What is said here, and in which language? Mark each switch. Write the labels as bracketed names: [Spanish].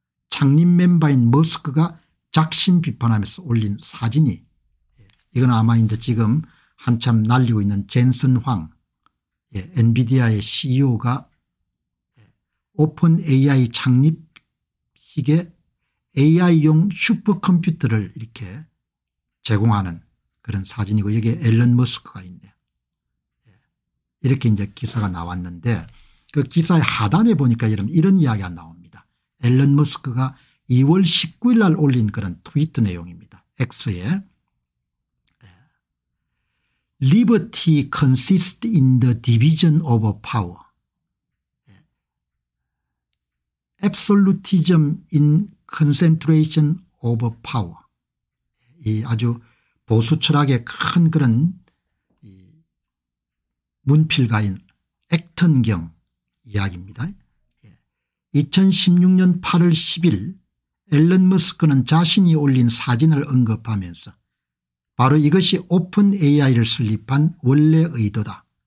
[Korean] 창립 멤버인 머스크가 작심 비판하면서 올린 사진이 이건 아마 이제 지금 한참 날리고 있는 젠슨 황 예, 엔비디아의 CEO가 오픈 AI 창립식에 AI용 슈퍼컴퓨터를 이렇게 제공하는 그런 사진이고 여기에 앨런 머스크가 있네요. 이렇게 이제 기사가 나왔는데 그 기사의 하단에 보니까 이런 이야기가 나옵니다. 앨런 머스크가 2월 19일 날 올린 그런 트위트 내용입니다. [English] X에 Liberty consists in the division of power. Absolutism in concentration of power. [Korean] 이 아주 보수 철학의 큰 그런 이 문필가인 액턴경 이야기입니다. 2016년 8월 10일 앨런 머스크는 자신이 올린 사진을 언급하면서 바로 이것이 오픈 AI를 설립한 원래 의도다.